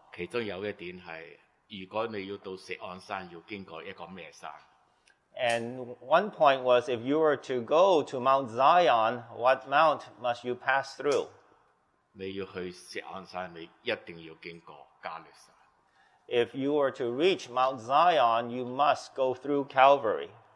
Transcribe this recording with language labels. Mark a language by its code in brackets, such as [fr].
[yue] 其中有一點是，如果你要到錫安山，要經過一個咩山？ [en] And one point was, if you were to go to Mount Zion, what mount must you pass through? [yue] 你要去錫安山，你一定要經過加勒山。 [en] If you were to reach Mount Zion, you must go through Calvary.